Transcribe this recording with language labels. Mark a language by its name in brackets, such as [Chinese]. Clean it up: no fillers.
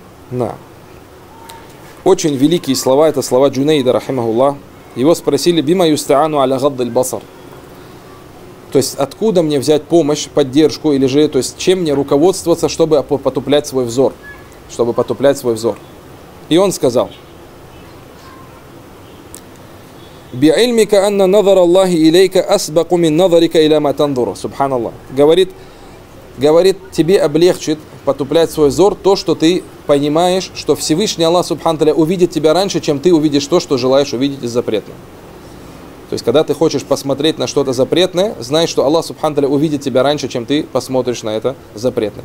[Russian] На. Очень великие слова, это слова Джунейда, рахимахулла. Его спросили, [Arabic] «Бима юстаану аля гаддаль басар?» [Russian] То есть откуда мне взять помощь, поддержку, или же, то есть чем мне руководствоваться, чтобы потуплять свой взор? Чтобы потуплять свой взор. И он сказал, [Arabic] بِعِلْمِكَ أَنَّ نَظَرَ اللَّهِ إِلَيْكَ أَسْبَقُ مِنْ نَظَرِكَ إِلَى مَا تَنْظُرُ. Субханаллах. [Russian] Говорит, тебе облегчит потуплять свой взор то, что ты понимаешь, что Всевышний Аллах, субханаллах, увидит тебя раньше, чем ты увидишь то, что желаешь увидеть из запретного. То есть, когда ты хочешь посмотреть на что-то запретное, знай, что Аллах, субханаллах, увидит тебя раньше, чем ты посмотришь на это запретное.